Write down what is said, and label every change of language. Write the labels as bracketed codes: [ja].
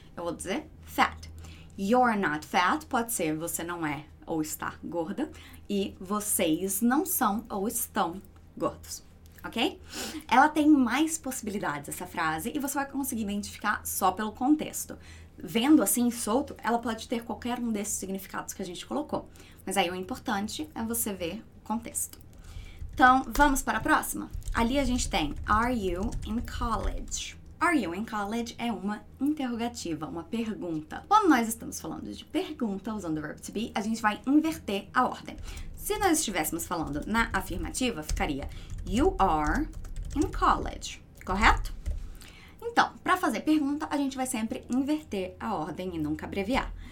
[pt] Eu vou dizer fat. [en] You're not fat [pt] pode ser você não é ou está gorda, e vocês não são ou estão gordos, ok? Ela tem mais possibilidades, essa frase, e você vai conseguir identificar só pelo contexto. Vendo assim, solto, ela pode ter qualquer um desses significados que a gente colocou. Mas aí o importante é você ver o contexto. Então, vamos para a próxima? Ali a gente tem, [en] are you in college? Are you in college? [pt] É uma interrogativa, uma pergunta. Quando nós estamos falando de pergunta usando o verb to be, a gente vai inverter a ordem. Se nós estivéssemos falando na afirmativa, ficaria [en] you are in college, [pt] correto? Então, para fazer pergunta, a gente vai sempre inverter a ordem e nunca abreviar.